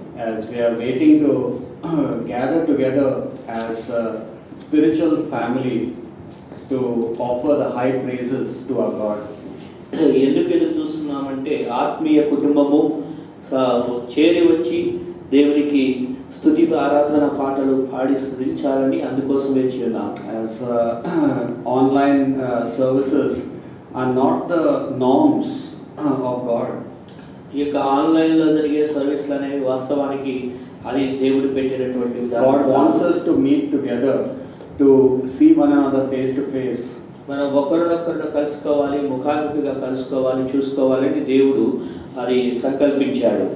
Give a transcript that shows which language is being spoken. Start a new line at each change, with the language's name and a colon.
English: As we are waiting to gather together as spiritual family to offer the high praises to our God.
Telugu: ఎందుకు ఎదురు చూస్తున్నామంటే ఆత్మీయ కుటుంబము చేరి వచ్చి దేవునికి స్తుతి ఆరాధన పాటలు పాడి స్తుతించాలని అందుకోసమే చేద్దాం.
English: As online services are not the norms of God.
Telugu: ఈ ఆన్లైన్ లో జరిగే సర్వీసులు అనేవి వాస్తవానికి అది దేవుడు పెట్టినటువంటి
English: God wants us to meet together to see one another face to face.
Telugu: మనం ఒకరినొకరు కలుసుకోవాలి, ముఖాముఖిగా కలుసుకోవాలి, చూసుకోవాలని దేవుడు అది సంకల్పించాడు.